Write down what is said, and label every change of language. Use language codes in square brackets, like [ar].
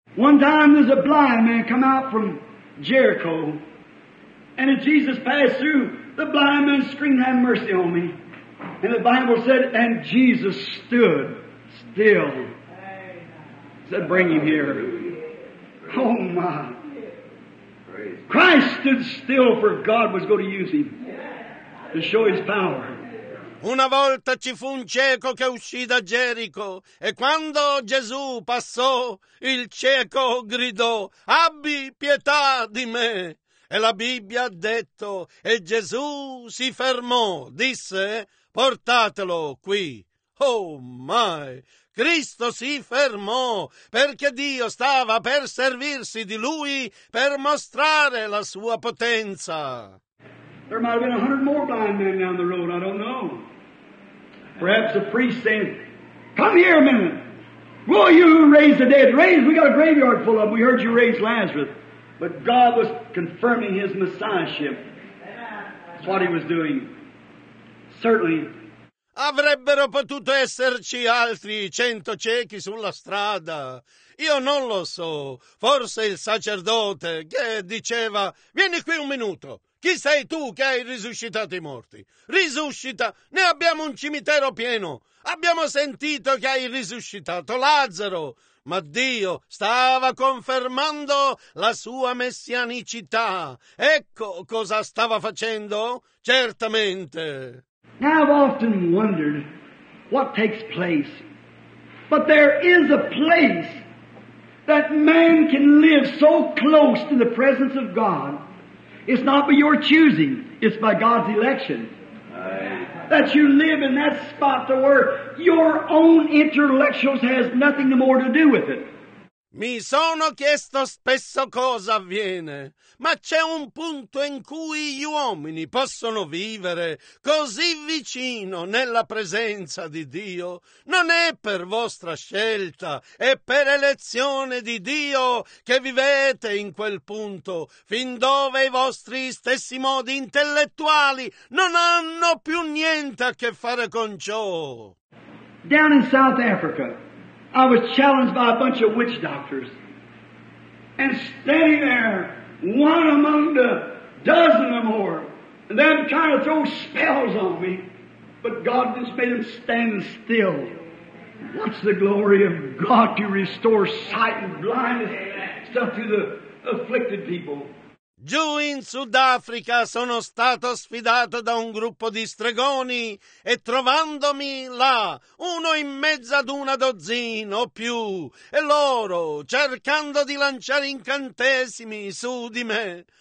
[en] One time there's a blind man come out from Jericho, and as Jesus passed through, the blind man screamed, have mercy on me. And the Bible said, and Jesus stood still. He said, bring him here. Oh my. Christ stood still, for God was going to use him to show his power. [it] Una volta ci fu un cieco che uscì da Gerico e quando Gesù passò, il cieco gridò, abbi pietà di me. E la Bibbia ha detto, e Gesù si fermò, disse, portatelo qui. [en] Oh my! [it] Cristo si fermò perché Dio stava per servirsi di Lui per mostrare la sua potenza. [en] There might have been 100 more blind men down the road, I don't know. Perhaps the priest said, come here a minute. Will you who raise the dead? Raise, we got a graveyard full of them. We heard you raise Lazarus. But God was confirming his messiahship. That's what he was doing. Certainly. [it] Avrebbero potuto esserci altri 100 ciechi sulla strada. Io non lo so. Forse il sacerdote che diceva, vieni qui un minuto. Chi sei tu che hai risuscitato i morti? Risuscita! Ne abbiamo un cimitero pieno! Abbiamo sentito che hai risuscitato Lazzaro! Ma Dio stava confermando la sua messianicità! Ecco cosa stava facendo? Certamente! [en] Now I've often wondered what takes place. But there is a place that man can live so close to the presence of God. It's not by your choosing, it's by God's election. Aye. That you live in that spot to where your own intellectuals has nothing more to do with it. [it] Mi sono chiesto spesso cosa avviene, ma c'è un punto in cui gli uomini possono vivere così vicino nella presenza di Dio. Non è per vostra scelta, è per elezione di Dio che vivete in quel punto, fin dove i vostri stessi modi intellettuali non hanno più niente a che fare con ciò. [en] Down in South Africa, I was challenged by a bunch of witch doctors. And standing there, one among the dozen or more, and them trying to throw spells on me. But God just made them stand still. What's the glory of God to restore sight and blindness stuff to the afflicted people? [it] Giù in Sudafrica sono stato sfidato da un gruppo di stregoni e trovandomi là, uno in mezzo ad una dozzina o più, e loro cercando di lanciare incantesimi su di me.